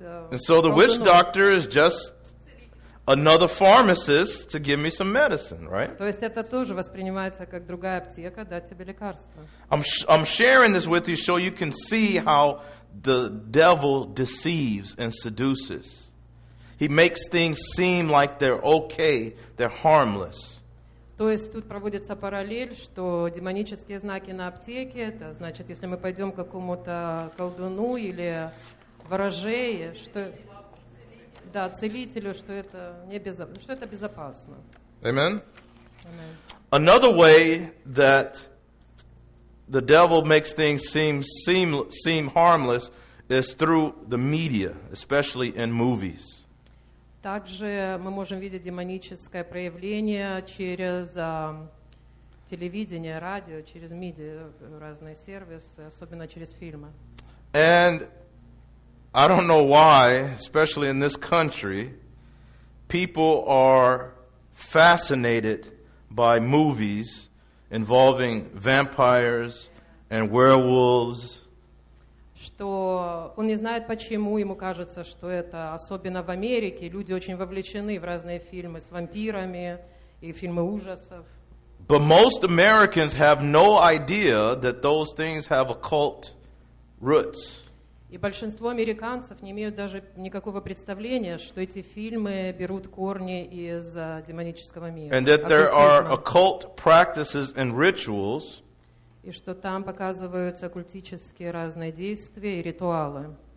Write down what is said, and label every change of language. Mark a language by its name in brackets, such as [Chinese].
[English] And so the witch doctor is just another pharmacist to give me some medicine, right? [Russian] То есть это тоже воспринимается как другая аптека дать тебе лекарство. [English] I'm sharing this with you so you can see how the devil deceives and seduces. He makes things seem like they're okay, they're harmless. [Russian] То есть тут проводится параллель, что демонические знаки на аптеке, это значит, если мы пойдем к какому-то колдуну или ворожее, что да, целителю, что это небезопасно, что это безопасно. [English] Amen. Amen. Another way that the devil makes things seem harmless is through the media, especially in movies. [Russian] Также мы можем видеть демоническое проявление через телевидение, радио, через медиа, разные сервисы, особенно через фильмы. [English] And I don't know why, especially in this country, people are fascinated by movies involving vampires and werewolves. [Russian] Что он не знает почему, ему кажется, что это особенно в Америке, люди очень вовлечены в разные фильмы с вампирами и фильмы ужасов. [English] But most Americans have no idea that those things have occult roots. [Russian] И большинство американцев не имеют даже никакого представления, что эти фильмы берут корни из демонического мира. [English] And that there are occult practices and rituals. [Russian] И что там показываются оккультические разные действия и ритуалы.